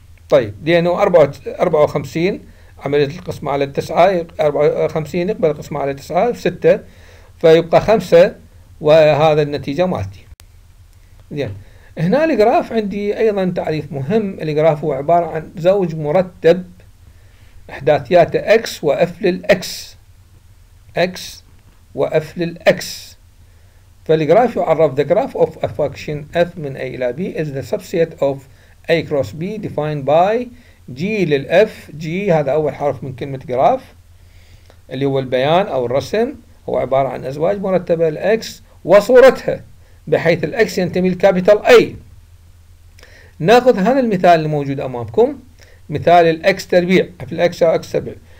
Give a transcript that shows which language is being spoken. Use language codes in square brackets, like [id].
[ar] طيب لأنه 54 عملية القسمة على 9، 54 يقبل القسمة على 9 6، فيبقى 5 وهذا النتيجة مالتي. زين، هنا الجراف عندي أيضا تعريف مهم. الجراف هو عبارة عن زوج مرتب إحداثياته X وF للX، X وقفل الاكس. فالجراف يعرف [en] the graph of a function f [ar] من [en] a [ar] إلى [en] b is the subset of a cross b defined by g للf. [ar] g هذا أول حرف من كلمة graph اللي هو البيان أو الرسم، هو عبارة عن أزواج مرتبة x وصورتها بحيث الاكس ينتمي لكابيتال اي. ناخذ هذا المثال الموجود امامكم، مثال الاكس تربيع، في الاكس او اكس تربيع.